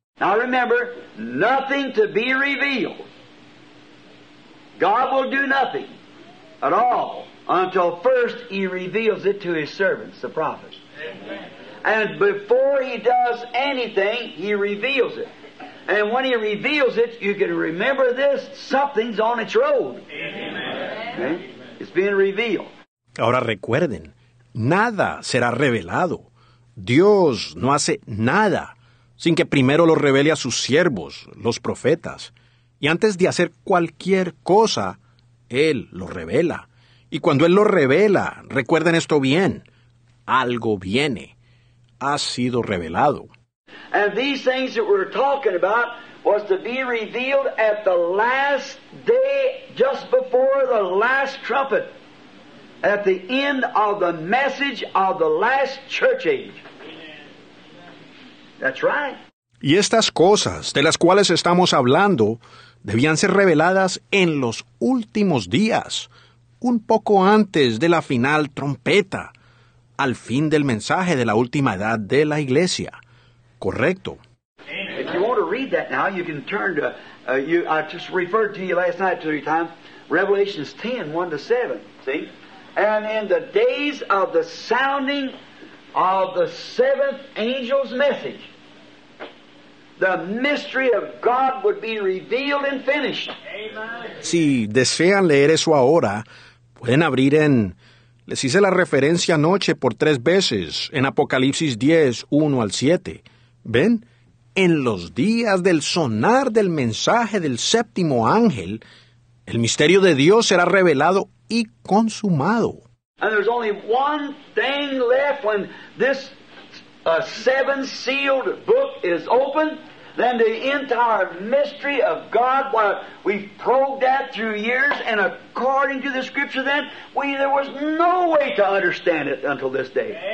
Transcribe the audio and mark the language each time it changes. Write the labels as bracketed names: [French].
[English] Now remember, nothing to be revealed. God will do nothing at all until first he reveals it to his servants, the prophets. And before he does anything, he reveals it. And when he reveals it, you can remember this, something's on its road. Amen. Okay? It's being revealed. [Spanish] Ahora recuerden, nada será revelado. Dios no hace nada sin que primero lo revele a sus siervos, los profetas. Y antes de hacer cualquier cosa, Él lo revela. Y cuando Él lo revela, recuerden esto bien, algo viene. Ha sido revelado. [English] And these things that we're talking about was to be revealed at the last day, just before the last trumpet, at the end of the message of the last church age. That's right. [Spanish] Y estas cosas de las cuales estamos hablando debían ser reveladas en los últimos días, un poco antes de la final trompeta. al fin del mensaje de la última edad de la iglesia. Correcto. [English] If you want to read that now, you can turn to I just referred to you last night to your time, Revelations 10:1-7, see? And in the days of the sounding of the seventh angel's message, the mystery of God would be revealed and finished. Amen. [Spanish] Si desean leer eso ahora, pueden abrir en, les hice la referencia anoche por tres veces, en Apocalipsis 10:1-7. ¿Ven? En los días del sonar del mensaje del séptimo ángel, el misterio de Dios será revelado y consumado. [English] And there's only one thing left when this seven-sealed book is open, then the entire mystery of God, while we've probed that through years, and according to the Scripture then, there was no way to understand it until this day.